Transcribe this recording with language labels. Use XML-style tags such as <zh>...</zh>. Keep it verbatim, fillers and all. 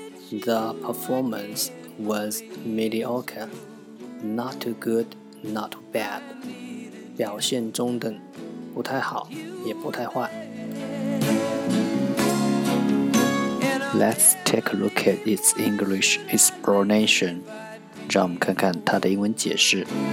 <en>The performance was mediocre, not too good, not too bad.</en> <zh>表现中等，不太好，也不太坏。</zh> <en>Let's take a look at its English explanation.</en> <zh>让我们看看它的英文解释。</zh>